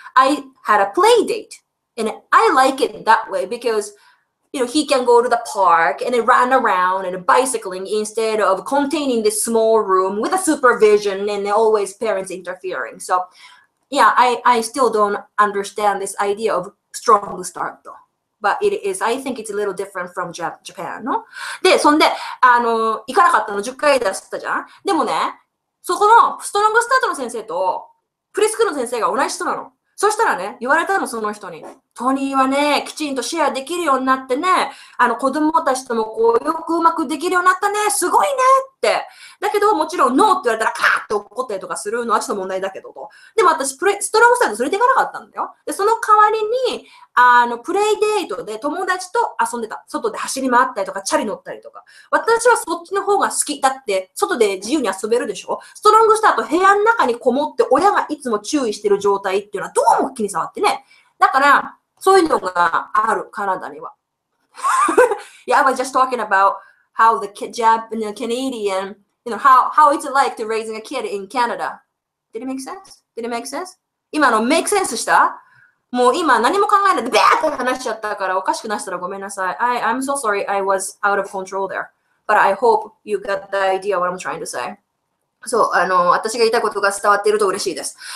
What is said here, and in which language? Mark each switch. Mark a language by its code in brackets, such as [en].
[en] I had a play date. And I like it that way because, you know, he can go to the park and run around and bicycling instead of containing this small room with a supervision and always parents interfering. So, yeah, I still don't understand this idea of strong start, though. But it is, I think it's a little different from Japan, no? [ja] で、そんで、行かなかったの10回出したじゃん。でもね、そこのストロングスタートの先生とプリスクールの先生が同じ人なの。そしたらね、言われたの、その人に。トニーはね、きちんとシェアできるようになってね、子供たちともこう、よくうまくできるようになったね、すごいねって。だけど、もちろん、ノーって言われたら、カーッと怒ったりとかするのはちょっと問題だけどと。でも私、ストロングスタート連れていかなかったんだよ。で、その代わりに、プレイデートで友達と遊んでた。外で走り回ったりとか、チャリ乗ったりとか。私はそっちの方が好き。だって、外で自由に遊べるでしょ？ストロングスタート、部屋の中にこもって、親がいつも注意してる状態っていうのは、どうも気に障ってね。だから、そういうのがある、カナダには。 [en] Yeah, I was just talking about how the Japanese, Canadian, you know, how it's like to raising a kid in Canada. Did it make sense? Did it make sense? [ja] 今の make sense した？もう今何も考えないでベーって話しちゃったからおかしくなったらごめんなさい。 [en] I'm so sorry I was out of control there. But I hope you got the idea what I'm trying to say. [ja] そう、私が言いたいことが伝わっていると嬉しいです。